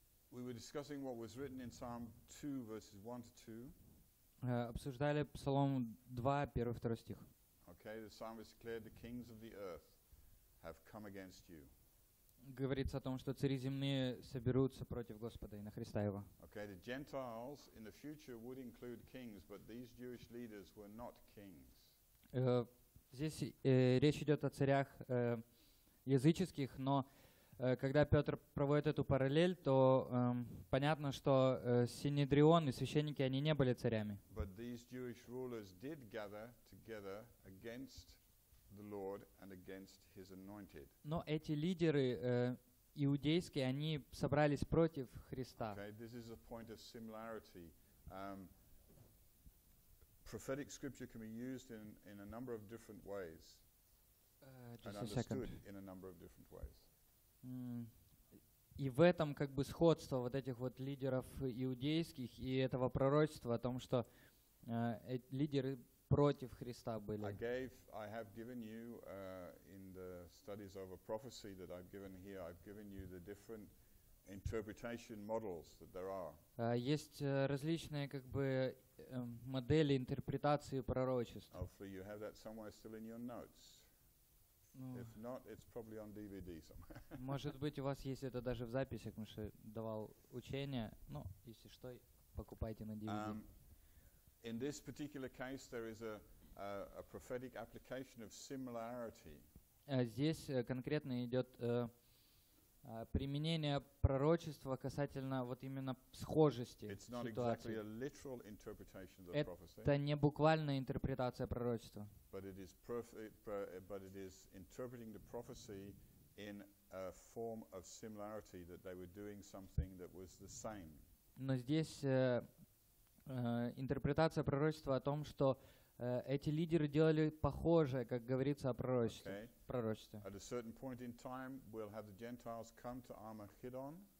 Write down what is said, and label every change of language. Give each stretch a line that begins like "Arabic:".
English: We were discussing what was written in Psalm 2, verses 1 to 2.
Russian: Обсуждали Псалом 2, 1 и 2 стих.
English: Okay, the psalmist declared the kings of the earth have come against you.
Russian: Говорится о том, что цари земные соберутся против Господа и на Христа Его.
English: Okay, the Gentiles in the future would include kings, but these Jewish leaders were not kings.
Russian: Здесь речь идет о царях языческих, но когда Петр проводит эту параллель, то понятно, что Синедрион и священники, они не были царями.
English: But these Jewish rulers did gather together against the Lord and against his anointed.
Russian: Но эти лидеры иудейские, они собрались против Христа.
English: Okay, this is a point of similarity. Prophetic scripture can be used in a number of different ways and understood in a number of different ways.
Russian: И в этом как бы сходство вот этих вот лидеров иудейских и этого пророчества о том, что лидеры против Христа были.
English: I have given you in the studies over prophecy that I've given here, I've given you the different interpretation models that there are.
Russian: Есть различные как бы модели интерпретации пророчеств.
English: Hopefully you have that somewhere still in your notes. If not, it's probably on DVD somewhere.
Russian: Может быть, у вас есть это даже в записях, потому что давал учение. Ну, если что, покупайте на DVD.
English: In this particular case, there is a prophetic application of similarity.
Russian: Здесь конкретно идет применение пророчества касательно вот именно схожести ситуации.
English: Exactly a literal interpretation of the prophecy.
Russian: Это не буквальная интерпретация пророчества.
English: But it is interpreting the prophecy in a form of similarity that they were doing something that was the same.
Russian: Но здесь интерпретация пророчества о том, что эти лидеры делали похожее, как говорится о пророчестве.
English: At a certain point in time, we'll have the Gentiles come to Armageddon.